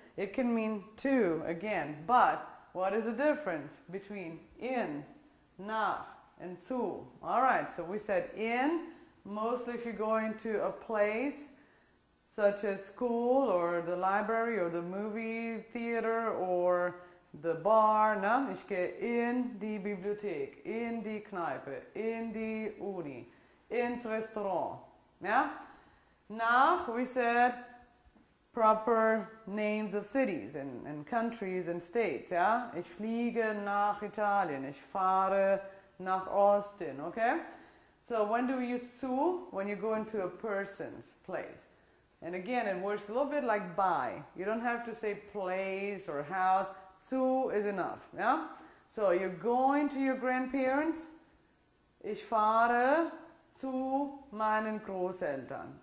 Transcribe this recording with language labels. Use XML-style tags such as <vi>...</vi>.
<en>It can mean to again, but what is the difference between in, nach, and zu? All right, so we said in, mostly if you're going to a place such as school or the library or the movie theater or the bar, no?</en> <de>Ich gehe in die Bibliothek, in die Kneipe, in die Uni, ins Restaurant, yeah?</de> <en>Nach, we said proper names of cities and countries and states, yeah?</en> <de>Ich fliege nach Italien, ich fahre nach Austin, okay?</de> <en>So when do we use zu? When you go into a person's place. And again, it works a little bit like by. You don't have to say place or house. Zu is enough, yeah? So you're going to your grandparents.</en> <de>Ich fahre zu meinen Großeltern.</de>